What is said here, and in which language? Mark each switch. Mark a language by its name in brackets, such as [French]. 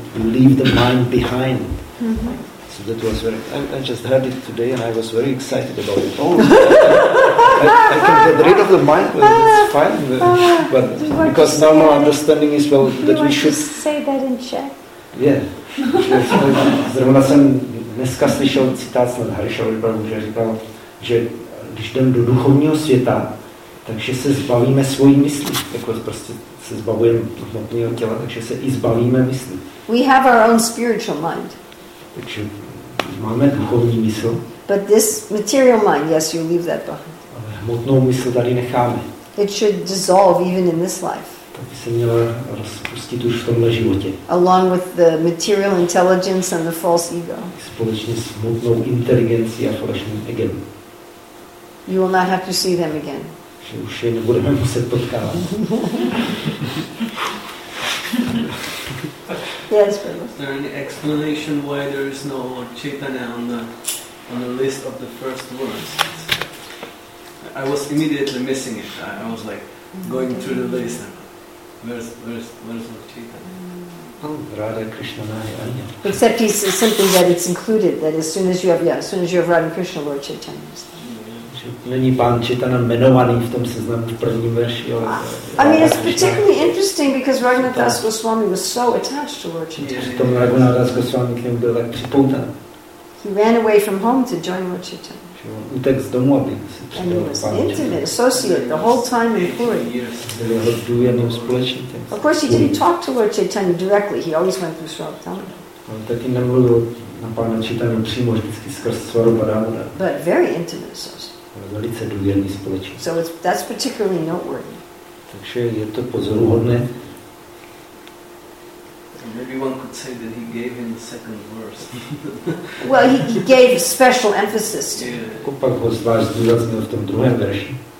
[English] We leave the mind behind. Mm-hmm. So that was very. I just heard it today, and I was very excited about it. Oh, I can get rid of the mind. Well, it's fine, but because now my understanding is well that we should say that in Czech. Yeah. [Czech] Zrovna jsem dneska slyšel citát snad Harisha Vibramu, že říkal, že když jdem do duchovního světa, takže se zbavíme svojí mysli, jako prostě se zbavujeme duchovního těla, takže se i zbavíme mysli. [English] We have our own spiritual mind. [Czech] Takže máme duchovní mysl. [English] But this material mind, yes, you leave that behind. [Czech] Ale hmotnou mysl tady necháme. [English] It should dissolve even in this life. [Czech] To by se mělo rozpustit už v tomhle životě. [English] Along with the material intelligence and the false ego. [Czech] Společně s hmotnou inteligencí a falešným egem. [English] You will not have to see them again. [Czech] Že už je nebudeme muset potkávat. [English] Yes, Prabhu. Is there any explanation why there is no Chaitanya on the list of the first words? I was immediately missing it. I was like going through the list. Where's Lord Chaitanya? Oh, Radha Krishna Nahi Anya. Except he's simply that it's included, that as soon as you have, as soon as you have Radha Krishna, Lord Chaitanya is there. [Czech] Není pán Chaitanya jmenovaný v tom seznamu v první verši, ale [English] I mean, it's particularly interesting because Raghunath Das Goswami was so attached to Lord Chaitanya. [Czech] Raghunath Das Goswami k němu byl tak připoutaný. [English] He ran away from home to join Lord Chaitanya. [Czech] Utek z domu, aby se přijel pán Chaitanya. [English] And he was an intimate associate the whole time in Puri. Of course, he didn't talk to Lord Chaitanya directly. He always went through Svarupadamana. [Czech] On taky nemluvil na pána Chaitanya přímo, vždycky skrz Svarupadamana. [English] But very intimate associate. [Czech] Velice důvěrný společník. [English] So it's, that's particularly noteworthy. [Czech] Takže je to pozoruhodné. [English] Maybe one could say that he gave him the second verse. Well, he gave special emphasis to. [Czech] Kupak ho zvlášť zdůraznil v tom druhém verši.